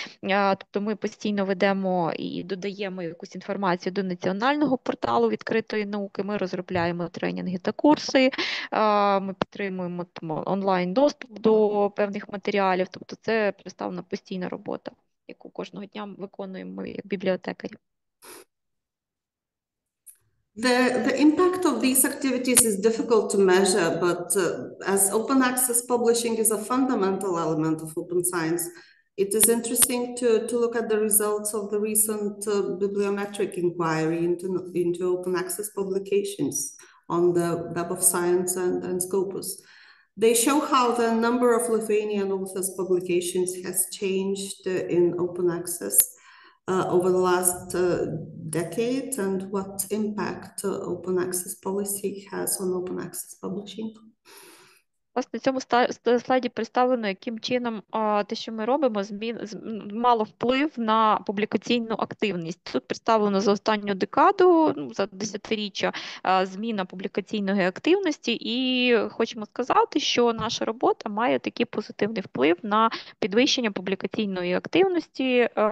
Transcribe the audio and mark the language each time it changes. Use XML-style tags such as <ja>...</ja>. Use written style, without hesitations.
<uk>Тобто ми постійно ведемо і додаємо якусь інформацію до національного порталу відкритої науки. Ми розробляємо тренінги та курси. Ми підтримуємо там, онлайн доступ до певних матеріалів. Тобто, це представлена постійна робота, яку кожного дня виконуємо як бібліотекарі.</uk> <en>The impact of these activities is difficult to measure, but as open access publishing is a fundamental element of open science, it is interesting to look at the results of the recent bibliometric inquiry into open access publications on the Web of Science and Scopus. They show how the number of Lithuanian authors' publications has changed in open access over the last decade, and what impact open access policy has on open access publishing.</en> <uk>Власне, на цьому слайді представлено, яким чином те, що ми робимо, мало вплив на публікаційну активність. Тут представлено за останню декаду, ну, за десятиріччя, зміна публікаційної активності. І хочемо сказати, що наша робота має такий позитивний вплив на підвищення публікаційної активності.</uk>